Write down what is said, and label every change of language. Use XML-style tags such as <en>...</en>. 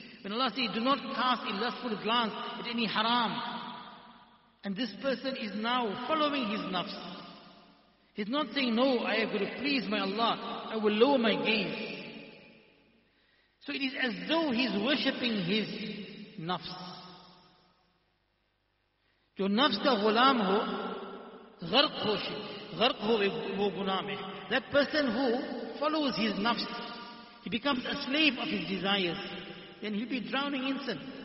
<en>When Allah says, do not cast a lustful glance at any haram. And this person is now following his nafs. He's not saying, no, I am going to please my Allah. I will lower my gaze. So it is as though he's worshipping his nafs.</en> <ur>جو نفس کا غلام ہو غرق ہو غرق ہو وہ گناہ میں.</ur> <en>That person who follows his nafs, he becomes a slave of his desires, then he'll be drowning in sin.</en>